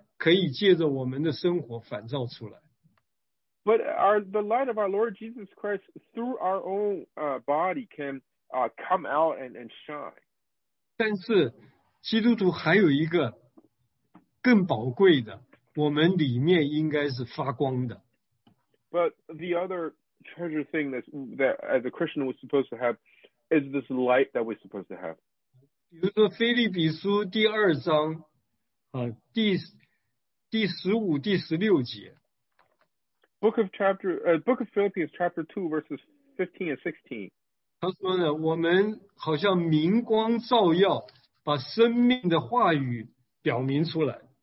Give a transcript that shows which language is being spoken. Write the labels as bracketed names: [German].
[Chinese] 但是当基督的光从透过我们的人呢，可以借着我们的生活反照出来。 [English] But our, the light of our Lord Jesus Christ through our own body can come out and shine. [Chinese] 但是基督徒还有一个更宝贵的，我们里面应该是发光的。 [English] But the other treasure thing that as a Christian was supposed to have is this light that we're supposed to have. [Chinese] 比如说腓立比书第二章, 第十五、第十六节。 [English] Book of Philippians chapter 2 verses 15 and 16. [Chinese] 他说呢, 我们好像明光照耀, 把生命的话语表明出来。